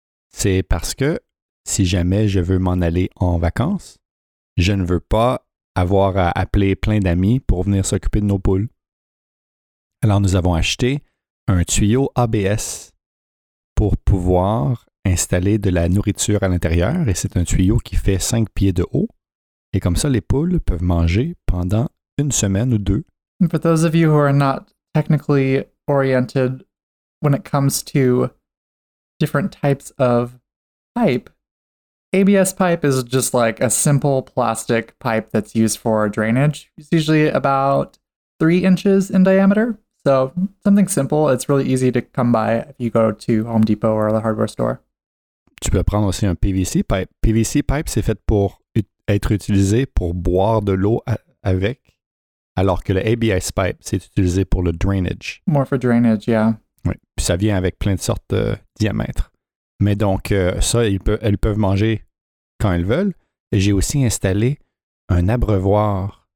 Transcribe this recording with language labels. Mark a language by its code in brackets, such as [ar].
[fr] C'est parce que si jamais je veux m'en aller en vacances, je ne veux pas avoir à appeler plein d'amis pour venir s'occuper de nos poules. Alors, nous avons acheté un tuyau ABS pour pouvoir installer de la nourriture à l'intérieur et c'est un tuyau qui fait 5 pieds de haut et comme ça les poules peuvent manger pendant une semaine ou deux. [en] For those of you who are not technically oriented when it comes to different types of pipe, ABS pipe is just like a simple plastic pipe that's used for drainage. It's usually about 3 inches in diameter. So something simple, it's really easy to come by if you go to Home Depot or the hardware store. [fr] Tu peux prendre aussi un PVC pipe. PVC pipe, c'est fait pour être utilisé pour boire de l'eau avec, alors que le ABS pipe, c'est utilisé pour le drainage. [en] More for drainage, yeah. [fr] Oui, puis ça vient avec plein de sortes de diamètres. Mais donc, ça, elles peuvent manger quand elles veulent. Et j'ai aussi installé un abreuvoir